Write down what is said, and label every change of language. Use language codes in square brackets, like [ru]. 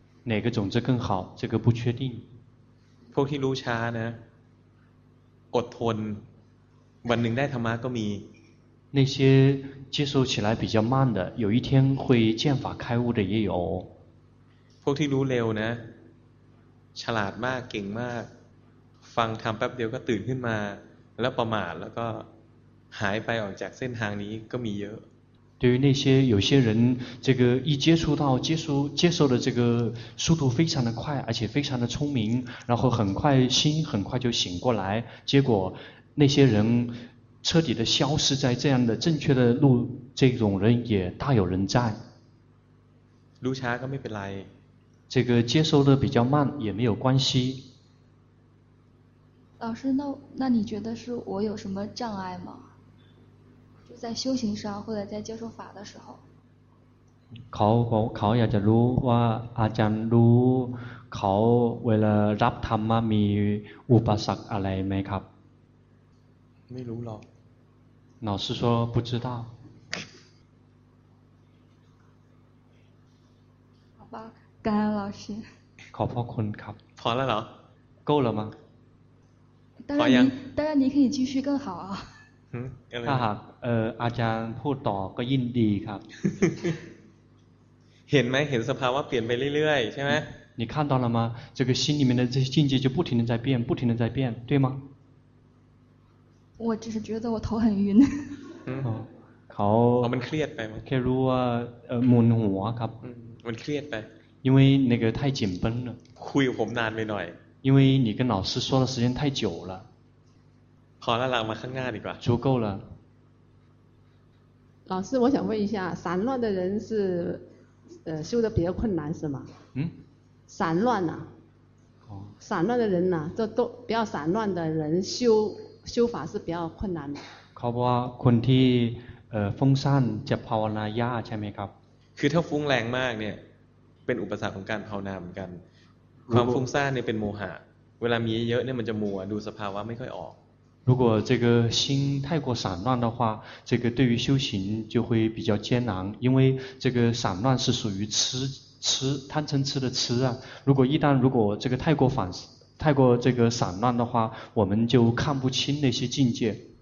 [zh] 哪个种子更好这个不确定 [th] พวกที่รู้ช้านะอดทนวันหนึ่งได้ธรรมะก็มี [zh] 那些接受起来比较慢的有一天会见法开悟的也有 [th] พวกที่รู้เร็วนะฉลาดมากเก่งมากฟังธรรมแป๊บเดียวก็ตื่นขึ้นมาแล้วประมาทแล้วก็หายไปออกจากเส้นทางนี้ก็มีเยอะ [zh] 对于那些有些人这个一接触到接受的这个速度非常的快而且非常的聪明然后很快心很快就醒过来结果那些人彻底的消失在这样的正确的路这种人也大有人在 [th] 路差ก็ไม่เป็นไร [zh] 这个接受的比较慢也没有关系老师 那你觉得是我有什么障碍吗就在修行上或者在接受法的时候 [th] เขาอยากจะรู้ว่าอาจารย์รู้เขาเวลารับธรรมมีอุปสรรคอะไรไหมครับ ไม่รู้หรอก [zh] 老师说不知道好吧感恩老师 [th] ขอบพระคุณครับ พอแล้วเหรอ [zh] 够了吗当然你当然你可以继续更好啊 [th] ถ้าหากอาจารย์พูดต่อก็ยินดีครับ เห็นไหมเห็นสภาวะเปลี่ยนไปเรื่อยๆใช่ไหม [zh] 你看到了吗这个心里面的这些境界就不停的在变不停的在变对吗我只是觉得我头很晕 [th] เขามันเครียดไปมั้ยแค่รู้ว่ามึนหัวครับ มันเครียดไป [zh] 因为那个太紧绷了 [th] คุยผมนานไปหน่อย [zh] 因为你跟老师说的时间太久了好了 [th] ลามาข้างหน้าดีกว่า [zh] 足够了老师我想问一下散乱的人是修得比较困难是吗嗯散乱啊散乱的人啊这都比较散乱的人修法是比较困难的 [th] เขาบอกว่าคนที่ฟุ้งซ่านจะภาวนายากใช่ไหมครับ คือถ้าฟุ้งแรงมากเนี่ยเป็นอุปสรรคของการภาวนาเหมือนกันความฟุ้งซ่านเนี่ยเป็นโมหะเวลามีเยอะเนี่ยมันจะมัวดูสภาวะไม่ค่อยออก [zh] 如果这个心太过散乱的话这个对于修行就会比较艰难因为这个散乱是属于痴贪嗔痴的痴啊如果一旦如果这个太过这个散乱的话我们就看不清那些境界